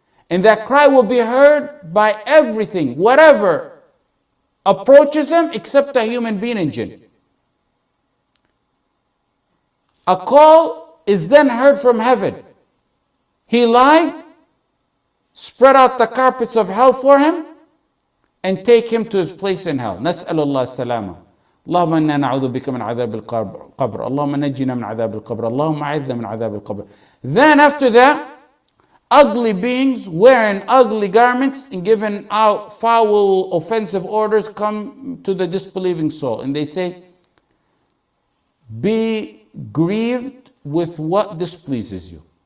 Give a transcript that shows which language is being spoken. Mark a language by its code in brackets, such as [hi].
[en] And that cry will be heard by everything, whatever approaches him, except a human being and jinn. A call is then heard from heaven. He lied, spread out the carpets of hell for him, and take him to his place in hell. [ar] نسأل الله السلامة. اللهم إنا نعوذ بك من عذاب القبر. اللهم نجينا من عذاب القبر. اللهم أعذنا من عذاب القبر. [en] Then after that, ugly beings wearing ugly garments and giving out foul, offensive orders come to the disbelieving soul. And they say, be grieved with what displeases you.